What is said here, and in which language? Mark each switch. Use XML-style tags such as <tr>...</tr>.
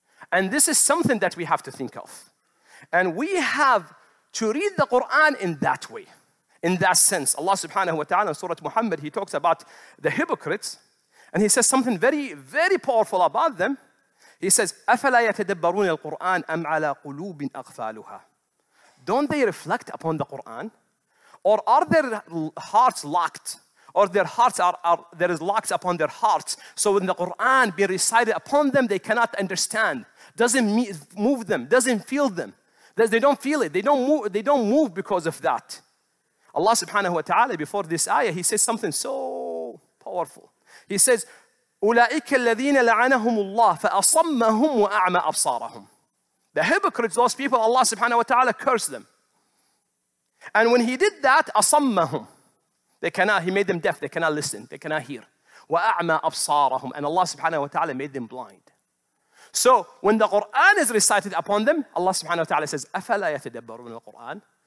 <en>And this is something that we have to think of. And we have to read the Quran in that way, in that sense. Allah subhanahu wa ta'ala in Surah Muhammad, he talks about the hypocrites. And he says something very, very powerful about them. He says,</en> <ar>أَفَلَا يَتَدَبَّرُونَ الْقُرْآنَ أَمْ عَلَىٰ قُلُوبٍ أَغْفَالُهَا.</ar> <en>Don't they reflect upon the Quran? Or are their hearts locked? Or their hearts there is locked upon their hearts. So when the Quran be recited upon them, they cannot understand. Doesn't move them. Doesn't feel them. They don't feel it. They don't move because of that. Allah subhanahu wa ta'ala, before this ayah, he says something so powerful. He says,</en> <ar>أُولَٰئِكَ الَّذِينَ لَعَنَهُمُ اللَّهُ فَأَصَمَّهُمْ وَأَعْمَى أَبْصَارَهُمْ.</ar> <en>The hypocrites, those people, Allah subhanahu wa ta'ala cursed them. And when he did that, asammahum, he made them deaf, they cannot listen, they cannot hear.</en> <ar>Wa'ama absarahum,</ar> <en>and Allah subhanahu wa ta'ala made them blind. So when the Quran is recited upon them, Allah subhanahu wa ta'ala says,</en> <ar>Afala yatadabbaruna al-Quran?</ar>